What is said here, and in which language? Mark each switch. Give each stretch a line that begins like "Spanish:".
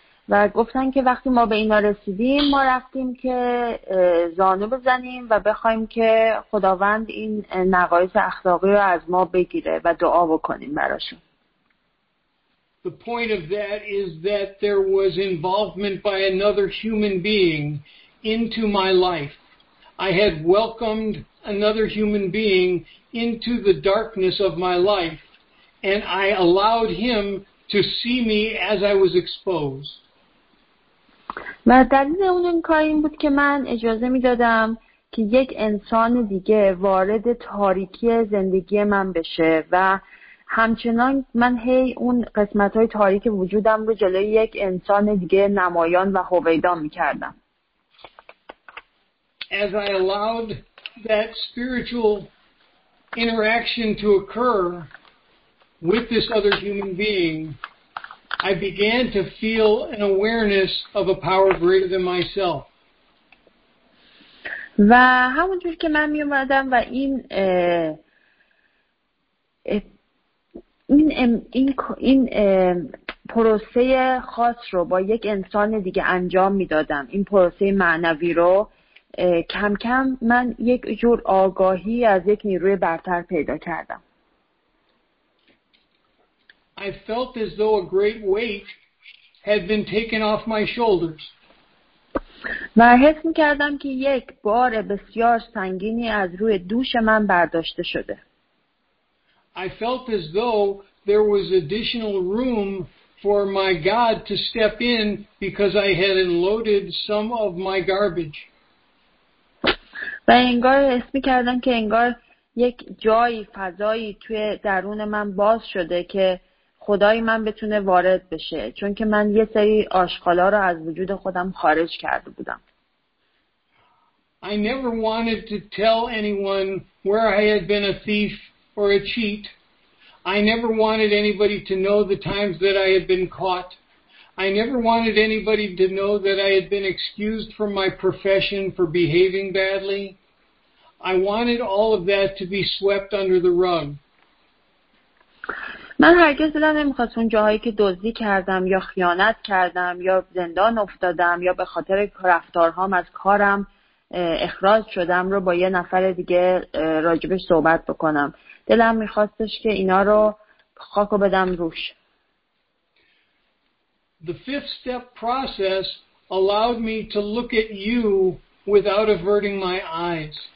Persian: و گفتن که وقتی ما به اینا رسیدیم، ما رفتیم که زانو بزنیم و بخوایم که خداوند این نقایص اخلاقی رو از ما بگیره و دعا بکنیم براشون.
English: The point of that is that there was involvement by another human being into my life. I had welcomed another human being into the darkness of my life, and I allowed him to see me as I was exposed.
Persian: و دلیل اون کار این بود که من اجازه میدادم که یک انسان دیگه وارد تاریکی زندگی من بشه و همچنان من هی اون قسمت‌های تاریک وجودم رو جلوی یک انسان دیگه نمایان و هویدا می‌کردم.
English: As I allowed that spiritual interaction to occur with this other human being, I began to feel an awareness of a power greater than myself.
Persian: و همونطور که من میومدم و این پروسه خاص رو با یک انسان دیگه انجام میدادم، این پروسه معنوی رو، کم کم من یک جور آگاهی از یک نیروی برتر پیدا کردم.
English: I felt as though a great weight had been taken off my shoulders.
Persian: و حس می‌کردم که یک بار بسیار سنگینی از روی دوش من برداشته شده.
English: I felt as though there was additional room for my God to step in because I had unloaded some of my garbage.
Persian: و انگار حس می‌کردم که انگار یک جایی، فضایی توی درون من باز شده که خدای من بتونه وارد بشه، چون که من یه سری آشغالا رو از وجود خودم خارج کرده بودم.
English: I never wanted to tell anyone where I had been a thief or a cheat. I never wanted anybody to know the times that I had been caught. I never wanted anybody to know that I had been excused from my profession for behaving badly. I wanted all of that to be swept under the rug.
Persian: من هرگز دلم نمیخواست اون جاهایی که دزدی کردم یا خیانت کردم یا زندان افتادم یا به خاطر رفتارهام از کارم اخراج شدم رو با یه نفر دیگه راجبش صحبت بکنم. دلم میخواستش که اینا رو خاک بدم روش.
English: The fifth step process allowed me to look at you without averting my eyes.